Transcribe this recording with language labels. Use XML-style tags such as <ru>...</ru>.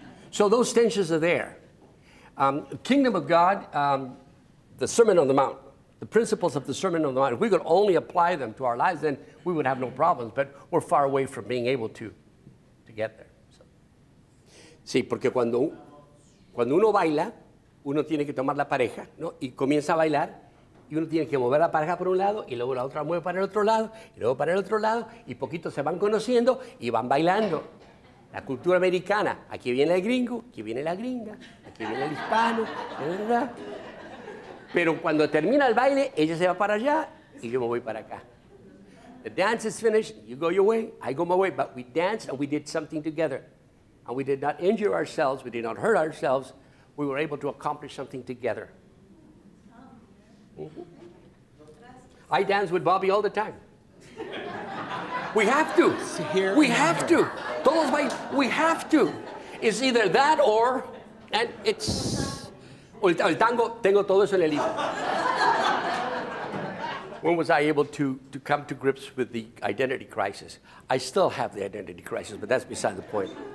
<en>So those tensions are there. Kingdom of God, the Sermon on the Mount, the principles of the Sermon on the Mount, if we could only apply them to our lives, then we would have no problems, but we're far away from being able to get there. So.</en> <es>Sí, porque cuando uno baila, uno tiene que tomar la pareja, ¿no? Y comienza a bailar, y uno tiene que mover la pareja por un lado, y luego la otra mueve para el otro lado, y luego para el otro lado, y poquito se van conociendo, y van bailando. La cultura americana, aquí viene el gringo, aquí viene la gringa, aquí viene el hispano, ¿verdad? Pero cuando termina el baile, ella se va para allá y yo me voy para acá.</es> <en>The dance is finished, you go your way, I go my way, but we danced and we did something together. And we did not injure ourselves, we did not hurt ourselves, we were able to accomplish something together. Mm-hmm. I dance with Bobby all the time. We have to. We have to. Todos by we have to. It's either that or, and it's.</en> <es>El tango, tengo todo eso en el libro.</es> <en>When was I able to come to grips with the identity crisis? I still have the identity crisis, but that's beside the point.</en>